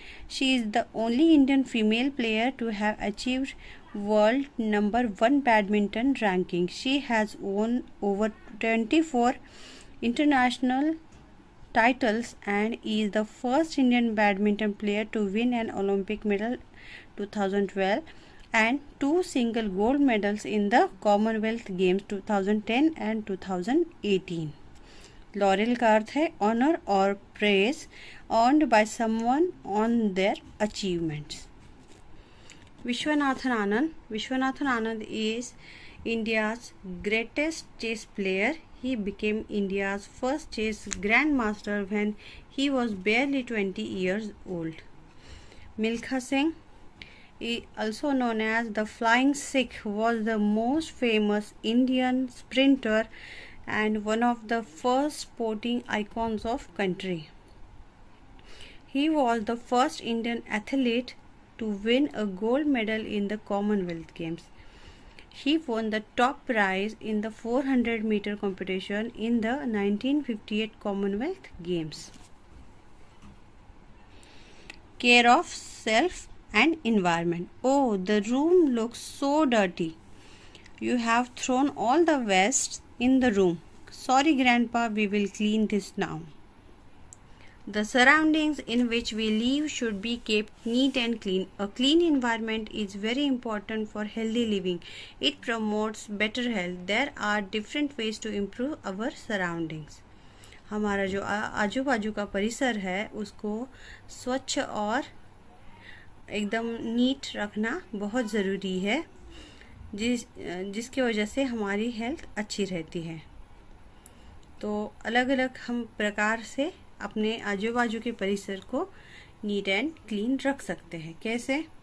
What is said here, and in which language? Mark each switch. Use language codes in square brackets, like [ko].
[en] She is the only Indian female player to have achieved world number one badminton ranking. She has won over 24 international titles and is the first Indian badminton player to win an Olympic medal 2012 and two single gold medals in the Commonwealth Games 2010 and 2018. Laurel [hi] का अर्थ है [en] Honour और praise earned by someone on their achievements. Viswanathan Anand. Viswanathan Anand is India's greatest chess player. He became India's first chess grand master when he was barely 20 years old. Milkha Singh also known as the flying Sikh was the most famous Indian sprinter and one of the first sporting icons of country. He was the first Indian athlete to win a gold medal in the Commonwealth Games. He won the top prize in the 400 meter competition in the 1958 Commonwealth Games. Care of self and environment. Oh, the room looks so dirty. You have thrown all the waste in the room. Sorry, Grandpa, we will clean this now. The surroundings in which we live should be kept neat and clean. A clean environment is very important for healthy living. It promotes better health. There are different ways to improve our surroundings. [hi] हमारा जो आजू बाजू का परिसर है उसको स्वच्छ और एकदम नीट रखना बहुत ज़रूरी है, जिसकी वजह से हमारी हेल्थ अच्छी रहती है. तो अलग अलग हम प्रकार से अपने आजू बाजू के परिसर को [en] neat and clean [hi] रख सकते हैं. कैसे?